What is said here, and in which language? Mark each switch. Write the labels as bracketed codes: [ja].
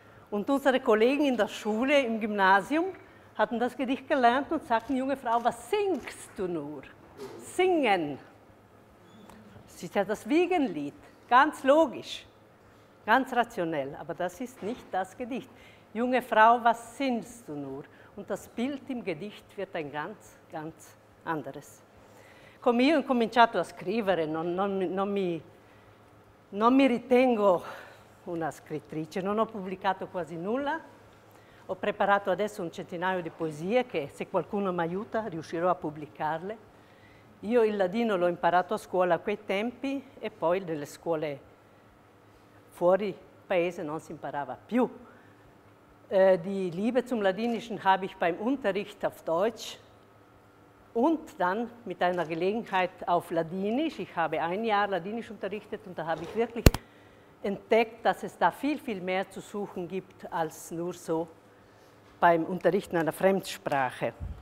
[de] Und unsere Kollegen in der Schule, im Gymnasium, hatten das Gedicht gelernt und sagten, junge Frau, was singst du nur? Singen. Das ist ja das Wiegenlied, ganz logisch, ganz rationell, aber das ist nicht das Gedicht. Junge Frau, was singst du nur? Und das Bild im Gedicht wird ein ganz, ganz anderes. [it] Come io ho cominciato a scrivere, non mi ritengo una scrittrice, non ho pubblicato quasi nulla. Ho preparato adesso un centinaio di poesie che, se qualcuno mi aiuta, riuscirò a pubblicarle. Io il ladino l'ho imparato a scuola a quei tempi e poi nelle scuole fuori paese non si imparava più. [de] Die Liebe zum Ladinischen habe ich beim Unterricht auf Deutsch und dann mit einer Gelegenheit auf Ladinisch. Ich habe ein Jahr Ladinisch unterrichtet und da habe ich wirklich entdeckt, dass es da viel, viel mehr zu suchen gibt als nur so beim Unterrichten einer Fremdsprache.